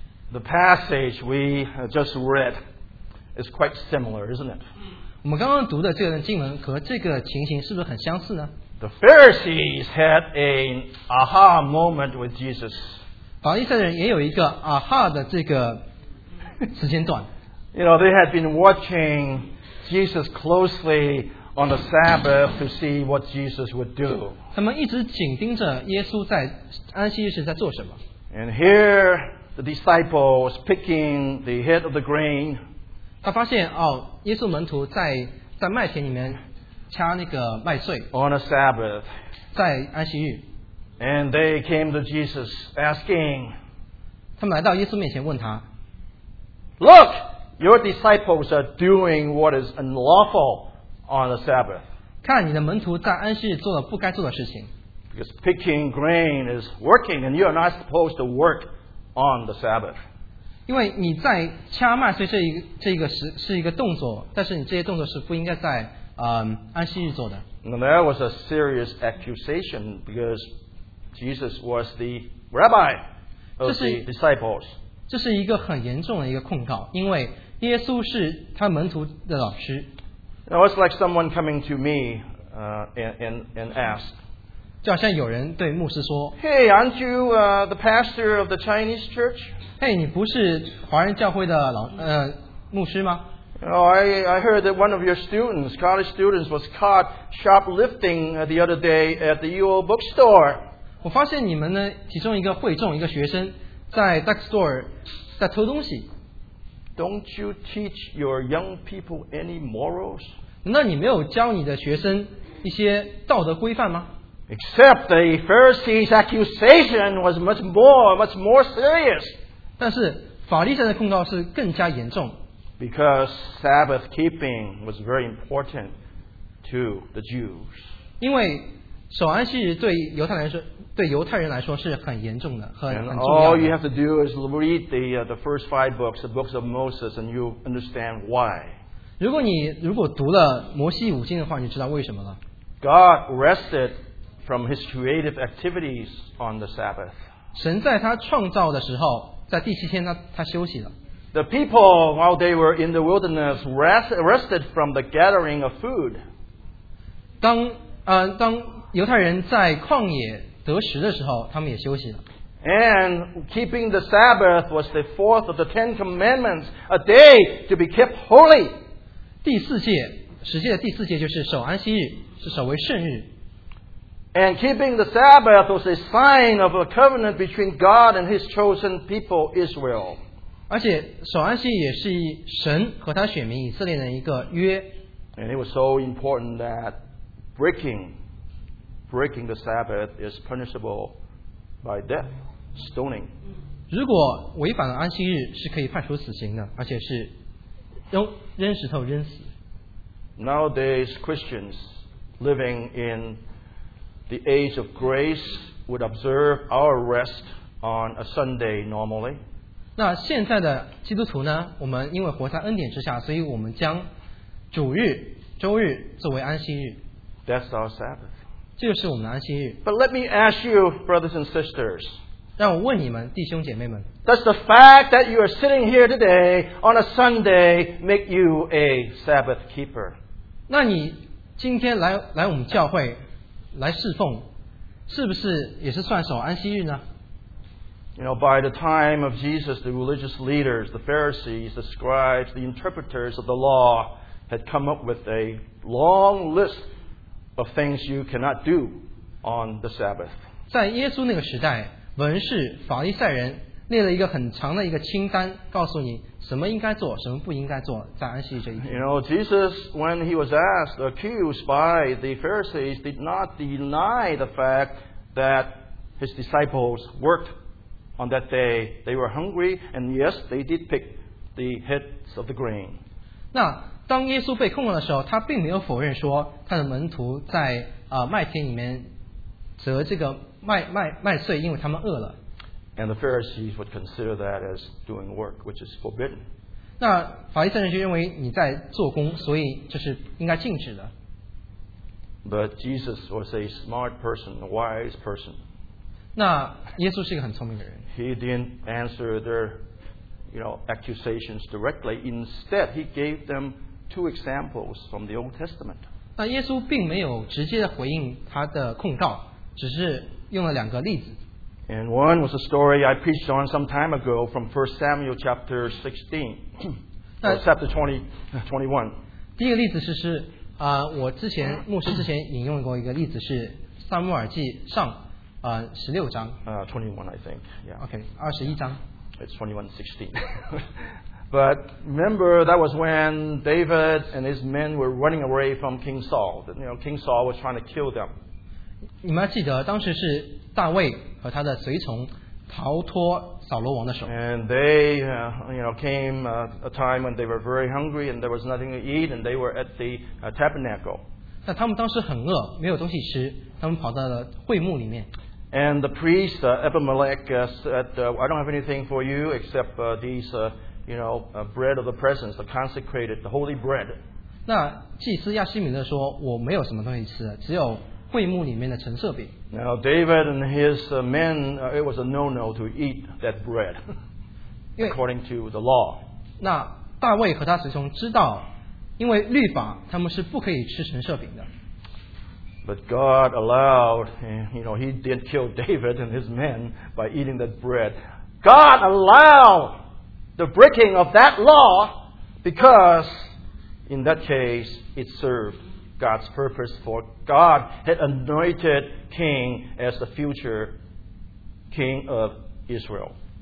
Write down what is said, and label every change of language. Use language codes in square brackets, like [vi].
[en] The passage we just read is quite similar, isn't it? [zh] 我们刚刚读的这段经文和这个情形是不是很相似呢？ [en] The Pharisees had an aha moment with Jesus. [zh] 法利赛人也有一个 aha 的这个时间段。 [en] You know, they had been watching Jesus closely on the Sabbath to see what Jesus would do. [zh] 他们一直紧盯着耶稣在安息日时在做什么。 [en] And here, the disciples picking the head of the grain. [zh] 他发现哦，耶稣门徒在麦田里面掐那个麦穗。 [en] On a Sabbath. [zh] 在安息日。 [en] And they came to Jesus asking. [zh] 他们来到耶稣面前问他。 [en] Look! Your disciples are doing what is unlawful on the Sabbath. [zh] 看你的门徒在安息日做了不该做的事情。 [en] Because picking grain is working and you are not supposed to work on the Sabbath. [zh] 因为你在掐麦穗这一个是一个动作，但是你这些动作是不应该在安息日做的。 [en] And that was a serious accusation because Jesus was the rabbi of the disciples. [zh] 这是一个很严重的一个控告，因为耶稣是他门徒的老师。 [en] Now it's like someone coming to me, and ask. [zh] 就好像有人对牧师说 [en] ，Hey, aren't you the pastor of the Chinese church? [zh] Hey, 你不是华人教会的牧师吗 [en] ？Oh, I heard that one of your students, college students, was caught shoplifting the other day at the UO bookstore. [zh] 我发现你们呢，其中一个会众一个学生。在 bookstore 在偷东西。 [en] Don't you teach your young people any morals? [zh] 难道你没有教你的学生一些道德规范吗？ [en] Except the Pharisees' accusation was much more serious. [zh] 但是法利赛的控告是更加严重。 [en] Because Sabbath keeping was very important to the Jews. [zh] 因为守安息日对犹太人说。对犹太人来说是很严重的，很重要的。 [en] All you have to do is read the first five books, the books of Moses, and you understand why. [zh] 如果读了摩西五经的话，你知道为什么了。 [en] God rested from his creative activities on the Sabbath. [zh] 神在他创造的时候，在第七天他休息了。 [en] The people while they were in the wilderness rested from the gathering of food. [zh] 当犹太人在旷野得食的时候，他们也休息了。 [en] And keeping the Sabbath was the fourth of the Ten Commandments, a day to be kept holy. [zh] 第四戒，十诫的第四戒就是守安息日，是守为圣日。 [en] And keeping the Sabbath was a sign of a covenant between God and His chosen people Israel. [zh] 而且守安息也是神和他选民以色列的一个约。 [en] And it was so important that breaking the Sabbath is punishable by death, stoning. [zh] 如果违反了安息日，是可以判处死刑的，而且是扔石头扔死。 [en] Nowadays, Christians living in the age of grace would observe our rest on a Sunday normally. [zh] 那现在的基督徒呢？我们因为活在恩典之下，所以我们将主日、周日作为安息日。 [en] That's our Sabbath. [zh] 这就是我们的安息日。 [en] But let me ask you, brothers and sisters. [zh] 让我问你们，弟兄姐妹们。 [en] Does the fact that you are sitting here today on a Sunday make you a Sabbath keeper? [zh] 那你今天来我们教会来侍奉，是不是也是算守安息日呢？ [en] You know, by the time of Jesus, the religious leaders, the Pharisees, the scribes, the interpreters of the law had come up with a long list. Of things you cannot do on the Sabbath. [zh] 在耶稣那个时代，文士、法利赛人列了一个很长的一个清单，告诉你什么应该做，什么不应该做，在安息这一天。 [en] You know, Jesus, when he was asked, accused by the Pharisees, did not deny the fact that his disciples worked on that day. They were hungry, and yes, they did pick the heads of the grain. [zh] 那当耶稣被控告的时候，他并没有否认说他的门徒在麦田里面折这个麦穗，因为他们饿了。 [en] And the Pharisees would consider that as doing work, which is forbidden. [zh] 那法利赛人就认为你在做工，所以这是应该禁止的。 [en] But Jesus was a smart person, a wise person. [zh] 那耶稣是一个很聪明的人。 [en] He didn't answer their, you know, accusations directly. Instead, he gave them two examples from the Old Testament. [zh] 那耶稣并没有直接的回应他的控告，只是用了两个例子。 [en] And one was a story I preached on some time ago from 1 Samuel chapter 16, or chapter 21. [zh] 第一个例子是是啊，我之前牧师之前引用过一个例子是撒母耳记上。 [en] 21, I think. Yeah. [zh] Okay, 21 章. [en] It's 21:16. But remember, that was when David and his men were running away from King Saul. You know, King Saul was trying to kill them. [zh] 你们还记得当时是大卫和他的随从逃脱扫罗王的手。 [en] And they, you know, came a time when they were very hungry and there was nothing to eat and they were at the tabernacle. [zh] 但他们当时很饿，没有东西吃。他们跑到了会幕里面。 [en] And the priest Abimelech said, "I don't have anything for you except these, you know, bread of the presence, the consecrated, the holy bread." [zh] 那祭司亚西米勒说，我没有什么东西吃，只有会幕里面的陈设饼。 [en] Now David and his men, it was a no-no to eat that bread, according to the law. [zh] 那大卫和他随从知道，因为律法，他们是不可以吃陈设饼的。 [en] But God allowed, you know, he did kill David and his men by eating that bread. God allowed the breaking of that law because in that case, it served God's purpose for God had anointed king as the future king of Israel.